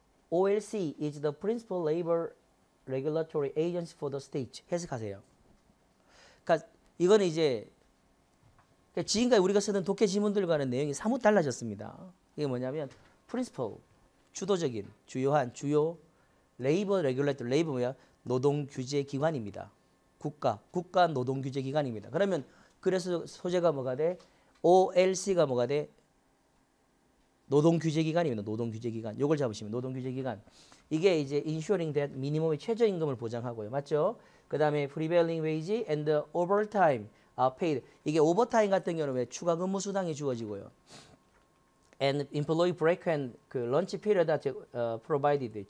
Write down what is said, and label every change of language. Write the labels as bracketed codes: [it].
[en] OLC is the principal labor regulatory agency for the state. [ko] 해석하세요. 그러니까 이거는 이제 지금까지 우리가 쓰던 독해 지문들과는 내용이 사뭇 달라졌습니다. 이게 뭐냐면 principal, 주도적인, 주요한, 주요 labor regulatory, labor 뭐야? 노동 규제 기관입니다. 국가 노동 규제 기관입니다. 그러면 그래서 소재가 뭐가 돼? OLC가 뭐가 돼? 노동 규제 기관입니다. 노동 규제 기관. 요걸 잡으시면 노동 규제 기관. 이게 이제 ensuring that 미니멈의 최저 임금을 보장하고요. 맞죠? [en] 그다음에 prevailing wage and the overtime are paid. [ko] 이게 오버타임 같은 경우에 추가 근무 수당이 주어지고요. [en] And employee break and 그 lunch period are provided.